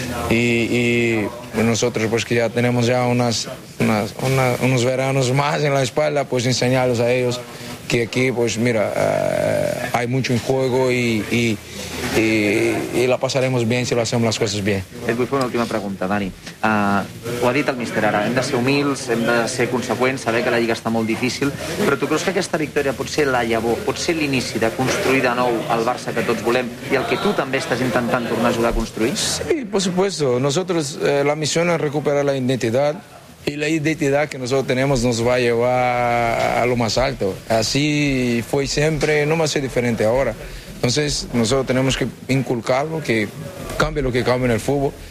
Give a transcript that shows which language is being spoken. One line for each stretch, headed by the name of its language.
Spanish: Y nosotros, pues que ya tenemos ya unos veranos más en la espalda, pues enseñarles a ellos que aquí, pues mira, hay mucho en juego y la pasaremos bien si lo hacemos las cosas bien.
Catalan: Et vull fer una última pregunta, Dani. Ho ha dit el míster ara, hem de ser humils, hem de ser conseqüents, saber que la Lliga està molt difícil, però tu creus que aquesta victòria pot ser la llavor, pot ser l'inici de construir de nou el Barça que tots volem i el que tu també estàs intentant tornar a ajudar a construir?
Spanish: Sí, por supuesto. Nosotros, la misión es recuperar la identidad, y la identidad que nosotros tenemos nos va a llevar a lo más alto. Así fue siempre, no va a ser diferente ahora. Entonces nosotros tenemos que inculcarlo, que cambie lo que cambie en el fútbol.